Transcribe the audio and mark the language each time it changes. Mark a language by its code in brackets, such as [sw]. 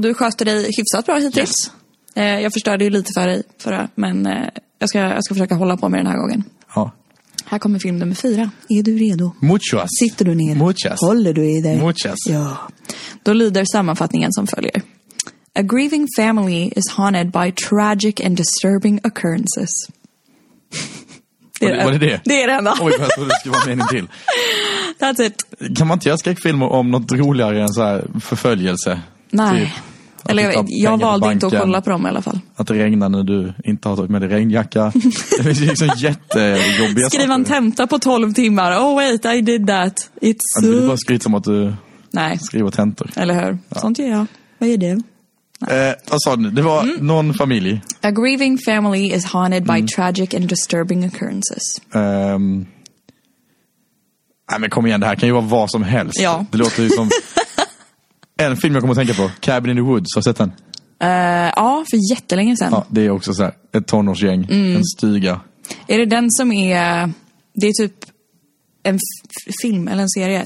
[sv] Du sköter dig hyfsat bra hittills. [en] Yes. [sv] Jag förstörde ju lite för dig förra, men jag ska försöka hålla på med den här gången. Ja. Här kommer film nummer 4. Är du redo? [es] Muchas. [sv] Sitter du ner? [es] Muchas. [sv] Håller du i dig? [es] Muchas. [sv] Ja. Då lyder sammanfattningen som följer. [en] A grieving family is haunted by tragic and disturbing occurrences. [sv] Det är det enda. Oj, jag trodde det skulle vara mening till. [en] That's it. [sv] Kan man inte göra skräckfilmer om något roligare än så här förföljelse? Nej. Typ, eller jag valde banken, inte att kolla på dem i alla fall. Att det regnar när du inte har tagit med dig regnjacka. Det finns ju liksom jättejobbiga saker. Skriva en tenta på 12 timmar. [en] Oh wait, I did that. It's [sv] du bara skryter om att du skriver tentor. Eller hur? Ja. Sånt gör jag. Vad är det? Vad sa du? Det var någon familj. [en] A grieving family is haunted by tragic and disturbing occurrences. [sv] Nej, men kom igen, det här kan ju vara vad som helst. Ja. Det låter ju som en film jag kommer att tänka på. Cabin in the Woods, har du sett den? Ja, för jättelänge sedan. Ja, det är också så här, ett tonårsgäng, en stuga. Är det den som är, det är typ en film eller en serie?